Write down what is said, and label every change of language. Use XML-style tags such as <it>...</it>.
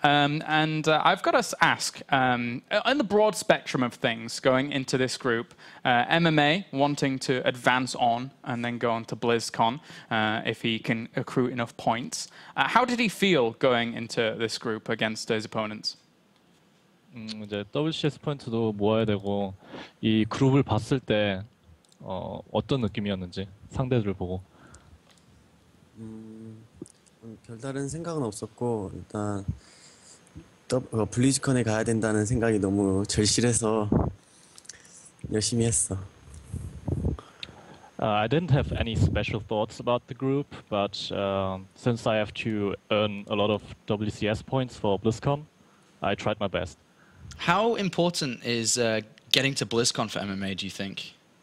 <en>And I've got to ask, in the broad spectrum of things going into this group, MMA wanting to advance on and then go on to BlizzCon if he can accrue enough points. How did he feel going into this group against his opponents?</en> <ko>이제 WCS 포인트도 모아야 되고 이 그룹을 봤을 때 어떤 느낌이었는지 상대들을 보고. 별다른 생각은 없었고 일단 블리즈컨에 가야 된다는 생각이 너무 절실해서 열심히 했어.</ko> <en>I didn't have any special thoughts about the group, but since I have to earn a lot of WCS points for BlizzCon, I tried my best. How important is getting to BlizzCon for MMA, do you think?</en>